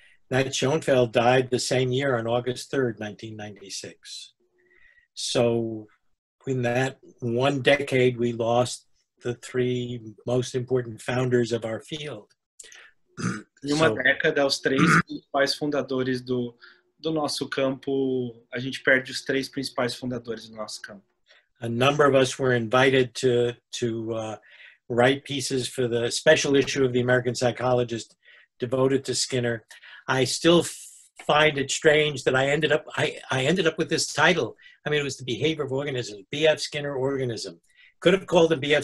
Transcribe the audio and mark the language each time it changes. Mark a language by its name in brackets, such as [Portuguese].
[English] Nat Schoenfeld died the same year on August 3rd, 1996. So in that one decade, we lost the three most important founders of our field. [Portuguese] Em uma década, os três principais fundadores do nosso campo, a gente perde os três principais fundadores do nosso campo. [English] A number of us were invited to write pieces for the special issue of the American Psychologist devoted to Skinner. I still find it strange that I ended up with this title. I mean, it was the behavior of organisms, B.F. Skinner organism. Could have called him B.F.